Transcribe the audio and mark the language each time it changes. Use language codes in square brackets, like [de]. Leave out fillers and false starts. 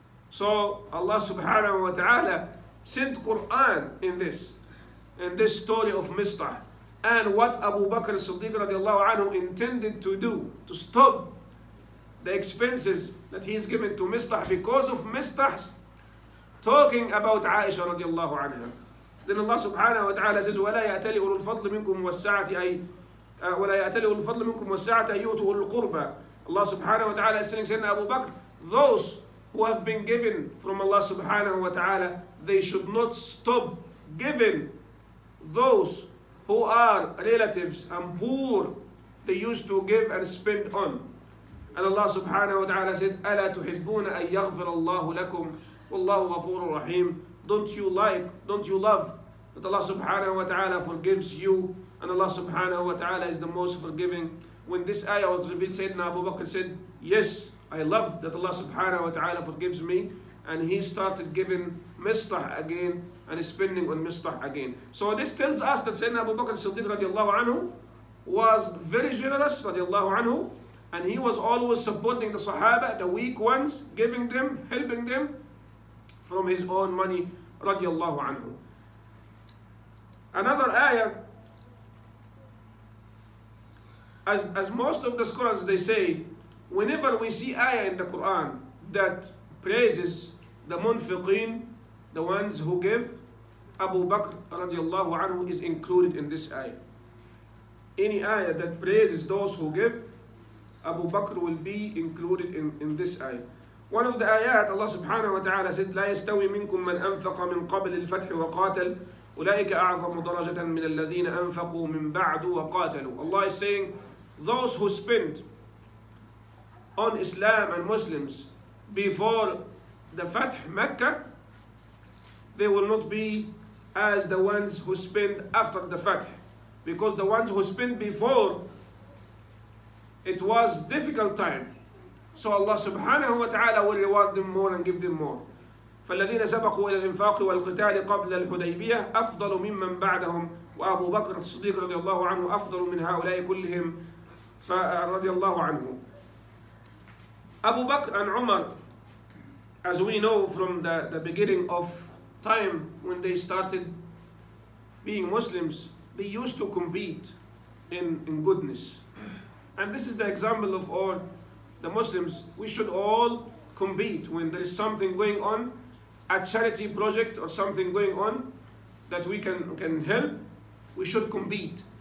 [en] So Allah subhanahu wa ta'ala sent Quran in this, in this story of Misbah, and what Abu Bakr as-Siddiq radiallahu anhu intended to do, to stop the expenses that he is given to Misbah because of Misbah talking about Aisha radiallahu anha. Then Allah subhanahu wa ta'ala says, [ar] وَلَا يَأْتَلِ أُولُو الْفَضْلِ مِنْكُمْ وَالسَّعَةِ أَيْ وَلَا يَأْتَلِ أُولُو الْفَضْلِ مِنْكُمْ وَالسَّعَةِ أَيُّوتُ أُولُو الْقُرْبَى. [en] Allah subhanahu wa ta'ala is telling Sayyidina Abu Bakr, those who have been given from Allah subhanahu wa ta'ala, they should not stop giving. Those who are relatives and poor, they used to give and spend on. And Allah subhanahu wa ta'ala said, [ar] أَلَا تُحِبُّونَ أَن يَغْفِرَ اللَّهُ لَكُمْ وَاللَّهُ غَفُورٌ رَحِيمٌ. [en] Don't you like, don't you love that Allah subhanahu wa ta'ala forgives you, and Allah subhanahu wa ta'ala is the most forgiving? When this ayah was revealed, Sayyidina Abu Bakr said, yes, I love that Allah subhanahu wa ta'ala forgives me. And he started giving Misbah again and spending on Misbah again. So this tells us that Sayyidina Abu Bakr as-Siddiq radiallahu anhu was very generous radiallahu anhu, and he was always supporting the Sahaba, the weak ones, giving them, helping them from his own money radiallahu anhu. Another ayah, as most of the scholars, they say, whenever we see ayah in the Quran that praises the munfiqeen, the ones who give, Abu Bakr radiallahu anhu is included in this ayah. Any ayah that praises those who give, Abu Bakr will be included in this ayah. One of the ayat, Allah subhanahu wa ta'ala said, [ar] لا يستوي منكم من أنفق من قبل الفتح وقاتل أولئك أعظم درجة من الذين أنفقوا من بعد وقاتلوا. [en] Allah is saying, those who spend on Islam and Muslims before the Fath Mecca, they will not be as the ones who spend after the Fath. Because the ones who spend before, it was difficult time. So Allah subhanahu wa ta'ala will reward them more and give them more. [ar] فالذين سبقوا إلى الإنفاق والقتال قبل الحديبية أفضل ممن بعدهم وأبو بكر الصديق رضي الله عنه أفضل من هؤلاء كلهم فرضي الله عنه. [en] Abu Bakr and Umar, as we know from the beginning of time when they started being Muslims, they used to compete in goodness. And this is the example of all the Muslims. We should all compete when there is something going on, a charity project or something going on that we can help. We should compete.